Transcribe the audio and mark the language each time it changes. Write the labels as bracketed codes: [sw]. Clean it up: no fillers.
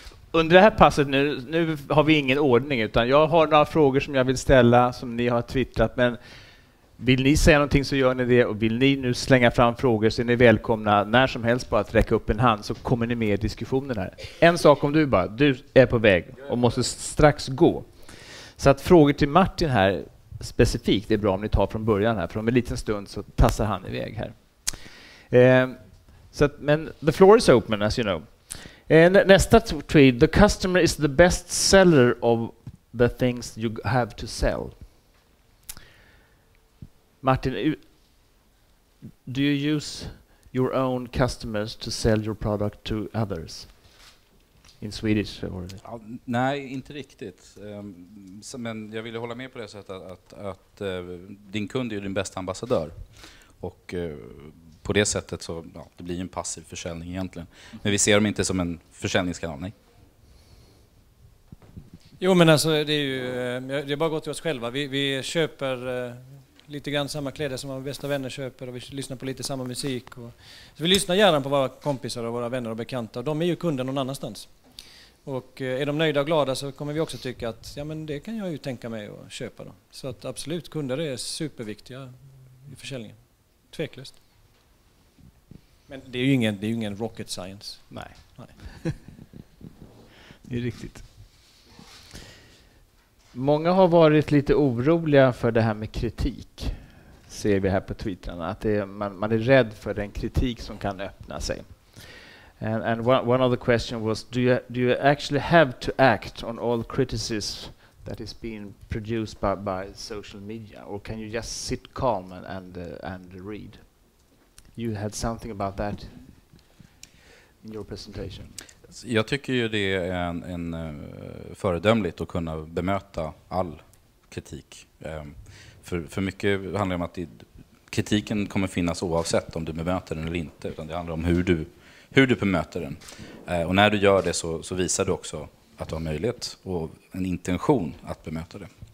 [sv] Under det här passet nu har vi ingen ordning, utan jag har några frågor som jag vill ställa som ni har twittrat, men vill ni säga någonting så gör ni det, och vill ni nu slänga fram frågor så är ni välkomna när som helst bara att räcka upp en hand så kommer ni med i diskussionen här. En sak om du är på väg och måste strax gå. Så att frågor till Martin här specifikt, det är bra om ni tar från början här, för om en liten stund så tassar han iväg här. [en] Men the floor is open, as you know. And [sv] nästa tweet, [en] the customer is the best seller of the things you have to sell. Martin, do you use your own customers to sell your product to others? In Swedish? [sv] Ja, nej, inte riktigt. Men jag ville hålla med på det sättet att din kund är din bästa ambassadör. Och på det sättet så ja, det blir en passiv försäljning egentligen. Men vi ser dem inte som en försäljningskanal, nej. Jo, men alltså det är bara gått till oss själva. Vi köper lite grann samma kläder som våra bästa vänner köper, och vi lyssnar på lite samma musik. Så vi lyssnar gärna på våra kompisar och våra vänner och bekanta. De är ju kunder någon annanstans. Och är de nöjda och glada så kommer vi också tycka att ja, men det kan jag ju tänka mig att köpa då. Så att absolut, kunder är superviktiga i försäljningen. Tveklöst. Men det är ju ingen [en] rocket science. [sv] Nej. Nej. Det är riktigt. Många har varit lite oroliga för det här med kritik. Ser vi här på twittrarna. Att man är rädd för den kritik som kan öppna sig. [en] And one of the questions was, do you actually have to act on all criticism that is being produced by social media, or can you just sit calm and read? You had something about that in your presentation. [sv] Jag tycker ju det är en föredömligt att kunna bemöta all kritik. För mycket handlar om att kritiken kommer finnas oavsett om du bemöter den eller inte, utan det handlar om hur du bemöter den. Och när du gör det så visar du också att du har möjlighet och en intention att bemöta det.